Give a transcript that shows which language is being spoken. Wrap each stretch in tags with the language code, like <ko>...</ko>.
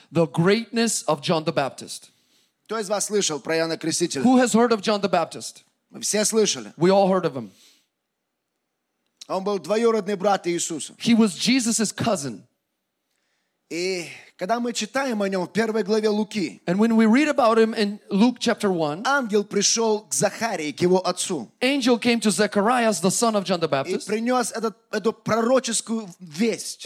<en>The greatness of John the Baptist.</en> <ru>Кто из вас слышал про Иоанна Крестителя?</ru> <en>Who has heard of John the Baptist?</en> <ru>Мы все слышали.</ru> <en>We all heard of him.</en> <ru>Он был двоюродный брат Иисуса.</ru> <en>He was Jesus's cousin.</en> <ru>И когда мы читаем о нем в первой главе Луки,</ru> <en>and when we read about him in Luke chapter 1,</en> <ru>ангел пришел к Захарии, к его отцу.</ru> <en>Angel came to Zacharias, the son of John the Baptist.</en> <ru>И принес эту пророческую весть.</ru>